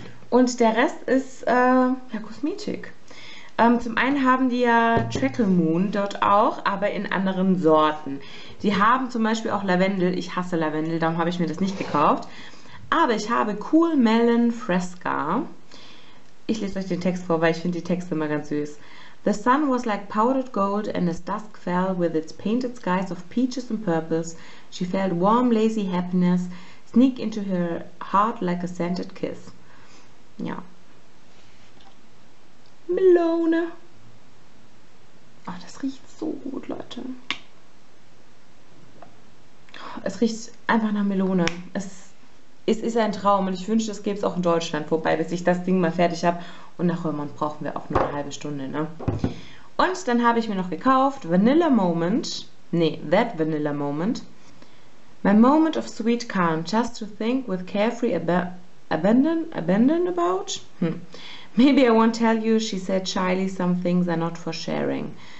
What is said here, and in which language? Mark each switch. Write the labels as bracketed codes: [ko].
[de] Und der Rest ist ja Kosmetik. Zum einen haben die ja Jekyll Moon dort auch, aber in anderen Sorten. Die haben zum Beispiel auch Lavendel. Ich hasse Lavendel, darum habe ich mir das nicht gekauft. Aber ich habe Cool Melon Fresca. Ich lese euch den Text vor, weil ich finde die Texte immer ganz süß. [en] The sun was like powdered gold and as dusk fell with its painted skies of peaches and purples, she felt warm, lazy happiness sneak into her heart like a scented kiss. [de] Ja. Melone. Oh, das riecht so gut, Leute. Es riecht einfach nach Melone. Es ist ein Traum und ich wünschte, es gäbe es auch in Deutschland. Wobei, bis ich das Ding mal fertig habe. Und nach Roermond brauchen wir auch nur eine halbe Stunde, ne? Und dann habe ich mir noch gekauft Vanilla Moment. Nee, That Vanilla Moment. [en] My moment of sweet calm, just to think with carefree abandon about? Maybe I won't tell you, she said shyly, some things are not for sharing.